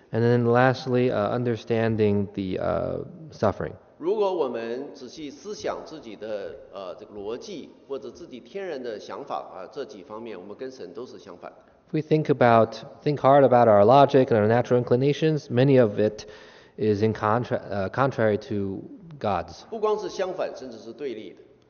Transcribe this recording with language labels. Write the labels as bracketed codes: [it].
[en] And then lastly, understanding the suffering. [zh] 如果我们仔细思想自己的这个逻辑或者自己天然的想法这几方面，我们跟神都是相反。 [en] If we think hard about our logic and our natural inclinations, many of it is in contrary to God's. [zh] 不光是相反，甚至是对立的。